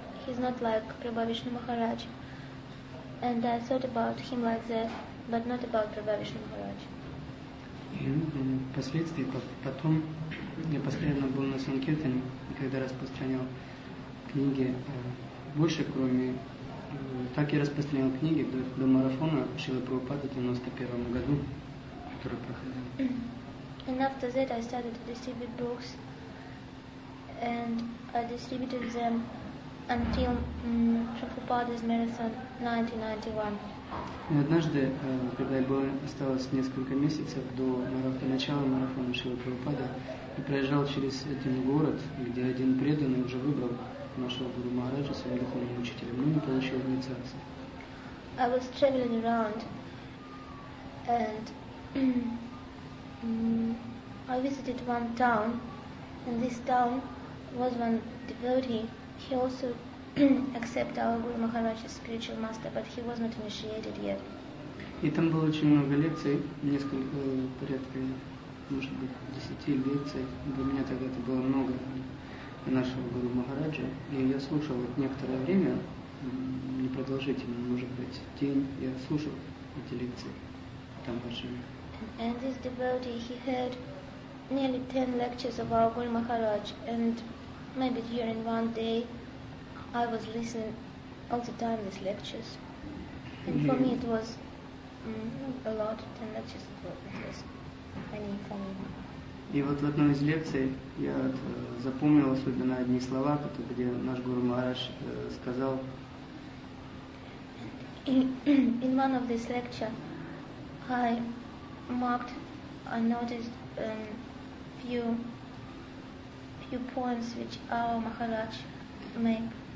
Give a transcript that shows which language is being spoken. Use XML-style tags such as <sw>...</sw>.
<en>He's not like Prabhavishnu Maharaj. And I thought about him like that, but not about Prabhavishnu Maharaj.</en> <ru>Впоследствии, потом, я постоянно был на Санкиртане, когда распространял книги больше, кроме... Так я распространял книги до марафона Шрилы Прабхупады в 91-м году, который проходил.</ru> <en>And after that I started to distribute books, and I distributed them until Prabhupada's marathon 1991.</en> <ru>И однажды, когда было осталось несколько месяцев до начала марафона Шрилы Прабхупады, я проезжал через один город, где один преданный уже выбрал нашего Гуру Махараджа своим духовным учителем, но не получил инициации.</ru> <en>I was traveling around, and I visited one town, and this town was one devotee. He also accept our Guru Maharaj's spiritual master, but he was not initiated yet.</en> <ru>И там было очень много лекций, несколько, порядка, может быть, 10 лекций. Для меня тогда это было много нашего Гуру Махараджа. И я слушал некоторое время, непродолжительно, может быть, день, я слушал эти лекции там большими.</ru> <en>And this devotee, he heard nearly 10 lectures of our Guru Maharaj, and maybe during one day, I was listening all the time these lectures, and for me it was a lot. 10 lectures was many for me.</en> <ru>И вот в одной из лекций я запомнил особенно одни слова, которые где наш Гуру Махарадж сказал.</ru> <en>In one of these lectures, I noticed few points which our Maharaj made.</en>